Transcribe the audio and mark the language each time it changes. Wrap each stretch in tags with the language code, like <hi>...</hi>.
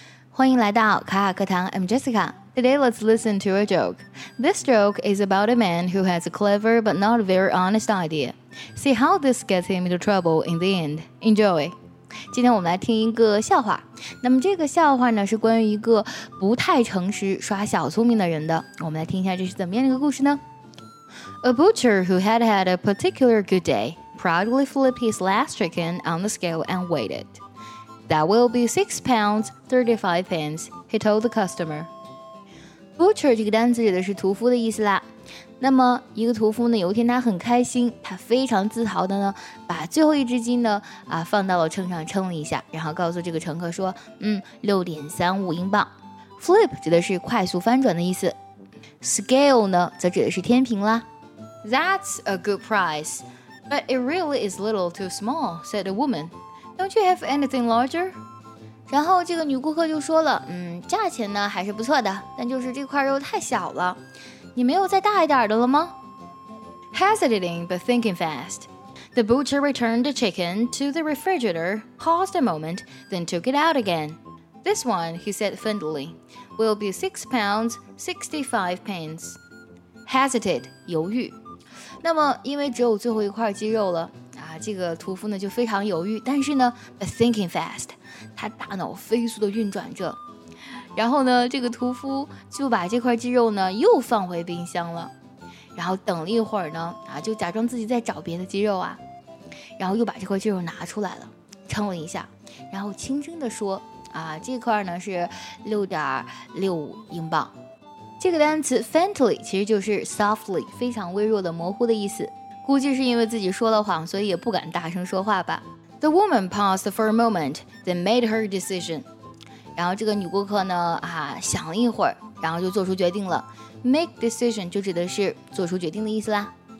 <zh>欢迎来到卡卡课堂</zh> <en>I'm Jessica. Today let's listen to a joke. This joke is about a man who has a clever but not very honest idea. See how this gets him into trouble in the end. Enjoy.</en> <zh>今天我们来听一个笑话。那么这个笑话呢是关于一个不太诚实耍小聪明的人的。我们来听一下这是怎么样的一个故事呢？</zh> <en>A butcher who had had a particular good day proudly flipped his last chicken on the scale and weighed it. That will be 6 pounds 35 pence, he told the customer.</en> <zh>Butcher 这个单词指的是屠夫的意思啦。那么一个屠夫呢，有一天他很开心，他非常自豪的呢，把最后一只鸡呢啊放到了秤上称了一下，然后告诉这个乘客说，6.35英镑。 Flip 指的是快速翻转的意思 ，scale 呢则指的是天平啦。</zh> <en>That's a good price, but it really is little too small, said a woman. Don't you have anything larger?</en> <zh>然后这个女顾客就说了，价钱呢还是不错的，但就是这块肉太小了。你没有再大一点的了吗</zh> <en>?Hesitating but thinking fast. The butcher returned the chicken to the refrigerator, paused a moment, then took it out again. This one, he said friendly, will be 6 pounds 65 pence.</en> <zh>Hesitate, 犹豫。那么因为只有最后一块鸡肉了这个屠夫呢就非常犹豫，但是呢 ,</zh> <en>but thinking fast,</en> <zh>他大脑飞速地运转着。然后呢这个屠夫就把这块鸡肉呢又放回冰箱了，然后等了一会儿呢就假装自己在找别的鸡肉啊，然后又把这块鸡肉拿出来了称了一下，然后轻声地说这块呢是6.65英镑。这个单词 faintly 其实就是 softly, 非常微弱的模糊的意思，估计是因为自己说了谎所以也不敢大声说话吧。</zh> <en>The woman paused for a moment, then made her decision.</en> <zh>然后这个女顾客呢想了一会儿，然后就做出决定了。</zh> <en>Make decision</en> <zh>就指的是做出决定的意思啦。</zh>